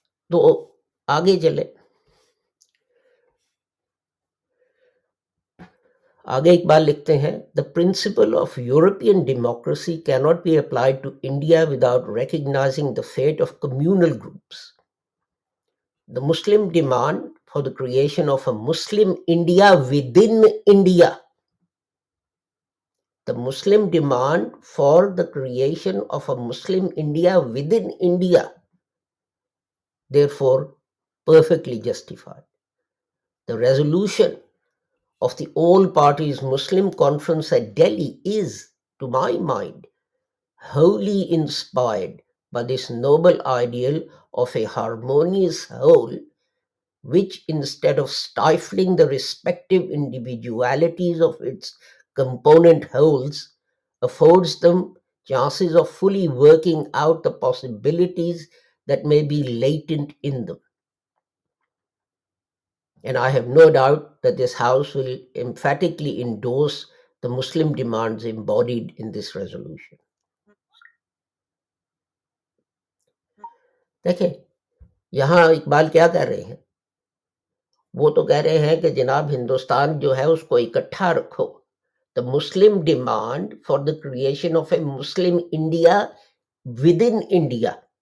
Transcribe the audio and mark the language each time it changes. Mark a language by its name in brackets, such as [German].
[Urdu] تو آگے چلے، آگے ایک بار لکھتے ہیں [English] The principle of European democracy cannot be applied to India without recognising the fact of communal groups, the Muslim demand for the creation of a Muslim India within India, the Muslim demand for the creation of a Muslim India within India therefore perfectly justified. The resolution of the All Parties Muslim Conference at Delhi is, to my mind, wholly inspired by this noble ideal of a harmonious whole which, instead of stifling the respective individualities of its component wholes, affords them chances of fully working out the possibilities that may be latent in them. And I have no doubt that this House will emphatically endorse the Muslim demands embodied in this resolution. [Urdu] دیکھیں یہاں اقبال کیا کہہ رہے ہیں، وہ تو کہہ رہے ہیں کہ جناب ہندوستان جو ہے اس کو اکٹھا رکھو، [English] the Muslim demand for the creation of a Muslim India within India,